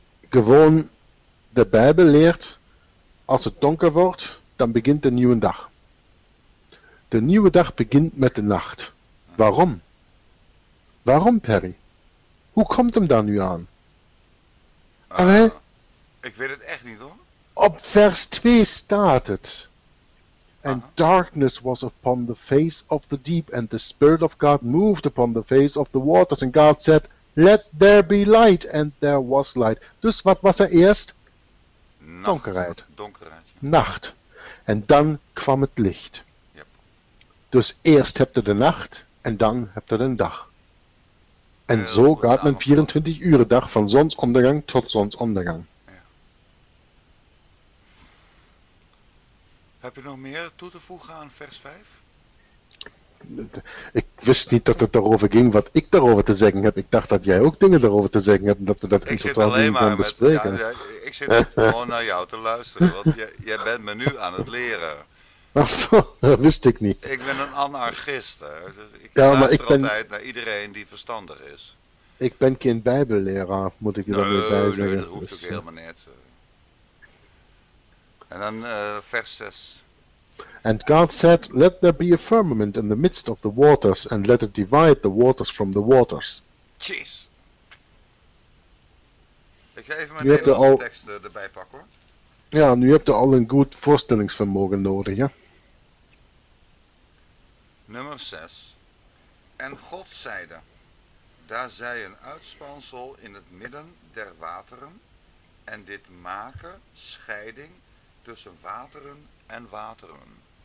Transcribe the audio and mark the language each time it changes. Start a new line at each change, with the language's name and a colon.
Dutch: gewoon de Bijbel leert, als het donker wordt, dan begint de nieuwe dag. De nieuwe dag begint met de nacht. Waarom? Waarom, Perry? Hoe komt hem daar nu aan? Ik weet het echt niet hoor. Op vers 2 staat het.
English: And darkness was upon the face of the deep, and the Spirit of God moved upon the face of the waters, and God said, let there be light, and there was light.
Dutch: Dus wat was er eerst? Nacht, donkerheid. Donkerheid. Ja. Nacht. En dan kwam het licht. Yep. Dus eerst hebt u de nacht, en dan hebt u de dag. En ja, zo gaat een 24 uur dag van zonsondergang tot zonsondergang. Ja. Heb je nog meer toe te voegen aan vers 5? Ik wist niet dat het erover ging wat ik daarover te zeggen heb. Ik dacht dat jij ook dingen daarover te zeggen hebt en dat we dat in totaal niet gaan bespreken. Ik zit gewoon naar jou te luisteren, want jij bent me nu aan het leren. Ach zo, dat wist ik niet. Ik ben een anarchist. Ik ja, maar ik ben altijd naar iedereen die verstandig is. Ik ben geen bijbelleraar, moet ik je dan weer bij zeggen. Nee, dat hoeft ook helemaal niet. En dan vers 6.
English: And God said, let there be a firmament in the midst of the waters, and let it divide the waters from the waters. Jeez.
Dutch: Ik ga even mijn Nederlandse tekst erbij pakken hoor. Ja, nu heb je al een goed voorstellingsvermogen nodig, ja. Nummer 6. En God zeide, daar zij een uitspansel in het midden der wateren, en dit maken scheiding tussen wateren en wateren.